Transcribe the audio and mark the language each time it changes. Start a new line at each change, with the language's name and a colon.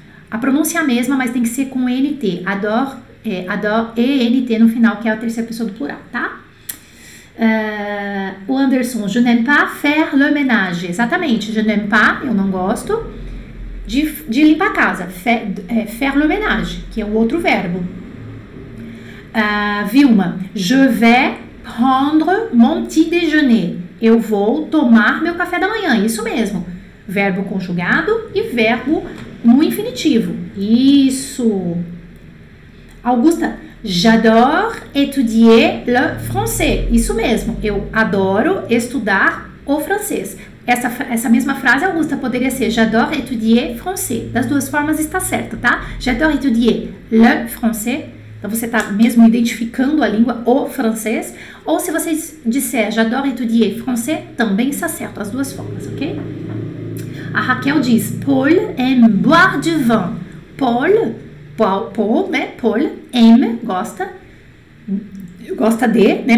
Portuguese: A pronúncia é a mesma, mas tem que ser com NT. Adore, ENT no final, que é a terceira pessoa do plural, tá?
French: O Anderson, je n'aime pas faire le ménage.
Portuguese: Exatamente,
French: je n'aime pas,
Portuguese: eu não gosto de limpar a casa.
French: Faire le ménage,
Portuguese: que é o outro verbo.
French: Vilma, je vais prendre mon petit déjeuner.
Portuguese: Eu vou tomar meu café da manhã. Isso mesmo, verbo conjugado e verbo no infinitivo. Isso.
French: Augusta, j'adore étudier le français.
Portuguese: Isso mesmo, eu adoro estudar o francês. Essa mesma frase, Augusta, poderia ser
French: j'adore étudier français.
Portuguese: Das duas formas está certo, tá?
French: J'adore étudier le français.
Portuguese: Então você está mesmo identificando a língua, o francês. Ou se você disser
French: j'adore étudier français,
Portuguese: também está certo, as duas formas, ok? A Raquel diz
French: Paul aime boire du vin. Paul. Paul, né?
Portuguese: Paul, M, gosta. Gosta de, né?